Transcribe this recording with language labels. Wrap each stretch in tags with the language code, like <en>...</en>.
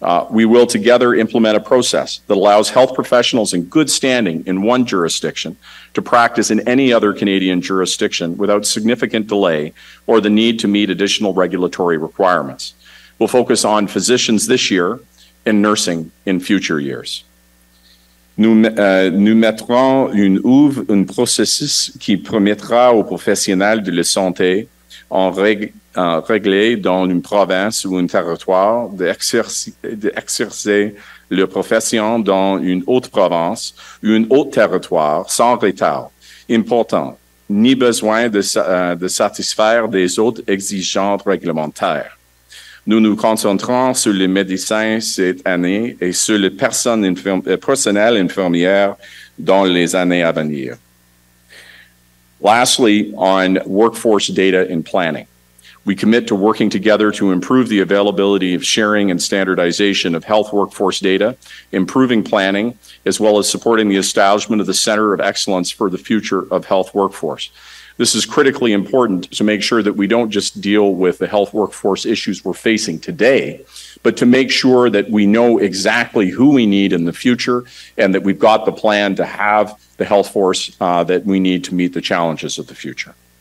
<en>We will together implement a process that allows health professionals in good standing in one jurisdiction to practice in any other Canadian jurisdiction without significant delay or the need to meet additional regulatory requirements. We'll focus on physicians this year and nursing in future years.</en> <fr>Nous mettrons un processus qui permettra aux professionnels de la santé en règle régler dans une province ou un territoire, d'exercer leur profession dans une autre province ou un autre territoire sans retard important, ni besoin de satisfaire des autres exigences réglementaires. Nous nous concentrons sur les médecins cette année et sur le personnel infirmière dans les années à venir.</fr> <en>Lastly, on workforce data and planning. We commit to working together to improve the availability of sharing and standardization of health workforce data, improving planning, as well as supporting the establishment of the Center of Excellence for the Future of Health Workforce. This is critically important to make sure that we don't just deal with the health workforce issues we're facing today, but to make sure that we know exactly who we need in the future and that we've got the plan to have the health force that we need to meet the challenges of the future.</en>